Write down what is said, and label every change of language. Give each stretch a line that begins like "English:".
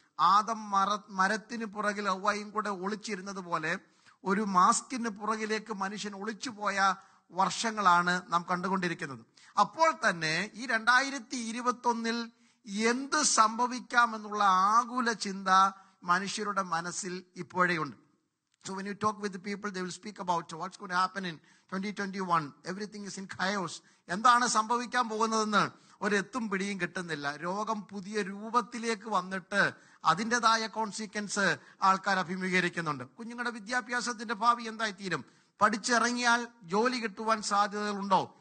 Malayalam: ആദം മരത്തിന് പുറകിൽ ഒവ്വയും കൂടെ ഒളിച്ചിരുന്നത് പോലെ ഒരു മാസ്കിന് പുറകിലേക്ക് മനുഷ്യൻ ഒളിച്ചുപോയ വർഷങ്ങളാണ് നാം കണ്ടുകൊണ്ടിരിക്കുന്നത്. അപ്പോൾ തന്നെ ഈ 2021 എന്ത് സംഭവിക്കാമെന്നുള്ള ആകുല ചിന്ത മനുഷ്യരുടെ മനസ്സിൽ ഇപ്പോഴേ ഉണ്ട്.
English: So when you talk with the people, they will speak about what's going to happen in 2021. Everything is in chaos.
Malayalam: എന്താണ് സംഭവിക്കാൻ പോകുന്നതെന്ന് ഒരെത്തും പിടിയും കിട്ടുന്നില്ല. രോഗം പുതിയ രൂപത്തിലേക്ക് വന്നിട്ട് അതിൻ്റെതായ കോൺസിക്വൻസ് ആൾക്കാർ അഭിമുഖീകരിക്കുന്നുണ്ട്. കുഞ്ഞുങ്ങളുടെ വിദ്യാഭ്യാസത്തിന്റെ ഭാവി എന്തായിത്തീരും? പഠിച്ചിറങ്ങിയാൽ ജോലി കിട്ടുവാൻ സാധ്യതകളുണ്ടോ?